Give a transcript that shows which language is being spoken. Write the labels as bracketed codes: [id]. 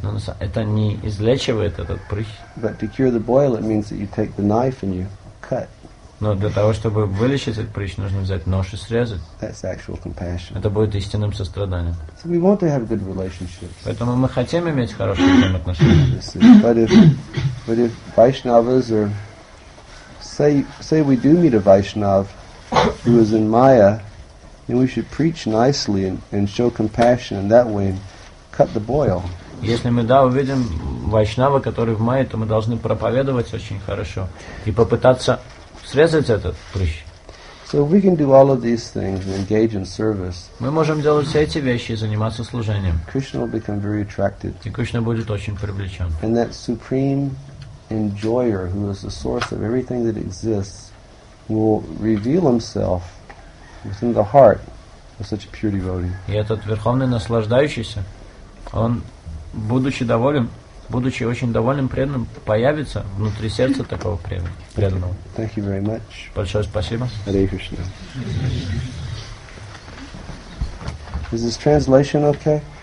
[ru] Но это не излечивает этот прыщ. [en] But to cure the boil it means that you take the knife and you cut. [ru] Но для того, чтобы вылечить этот прыщ, нужно взять нож и срезать. [en] That's actual compassion. [ru] Это будет истинным состраданием. [en] So we want to have good relationships. [ru] Поэтому мы хотим иметь хорошие взаимоотношения. [en] But if Vaishnavas are say we do meet a Vaishnav who is in Maya, then we should preach nicely and show compassion in that way and cut the boil. [ru] Если мы, да, увидим Вайшнава, который в Майе, то мы должны проповедовать очень хорошо и попытаться срезать этот прыщ. [en] So we can do all of these things and engage in service. [ru] Мы можем делать все эти вещи и заниматься служением. [en] Krishna will become very attracted. [ru] И Кришна будет очень привлечен. [en] And that supreme enjoyer, who is the source of everything that exists, will reveal himself within the heart of such a pure devotee. [ru] И этот верховный наслаждающийся, он, будучи доволен, будучи очень довольным преданным, появится внутри сердца такого преданного. [en] Okay. Thank you very much. [ru] Большое спасибо. [en] Hare Krishna. Is this translation okay?